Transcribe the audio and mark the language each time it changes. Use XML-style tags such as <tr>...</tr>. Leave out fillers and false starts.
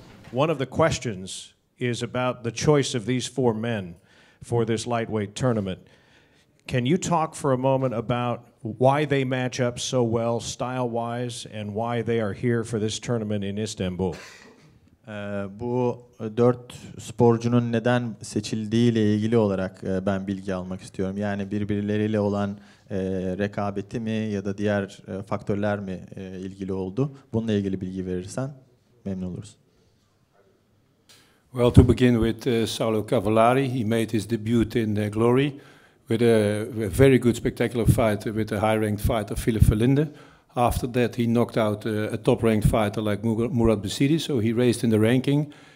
<en>One of the questions is about the choice of these four men for this lightweight tournament. Can you talk for a moment about why they match up so well style-wise and why they are here for this tournament in Istanbul?</en> <tr>Bu dört sporcunun neden seçildiği ile ilgili olarak ben bilgi almak istiyorum. Yani birbirleriyle olan rekabeti mi ya da diğer faktörler mi ilgili oldu? Bununla ilgili bilgi verirsen memnun oluruz.</tr> <en>Well, to begin with, Saulo Cavallari, he made his debut in Glory with a very good spectacular fight with a high-ranked fighter, Philip Verlinde. After that, he knocked out a top-ranked fighter like Murat Besiri, so he raised in the ranking.</en>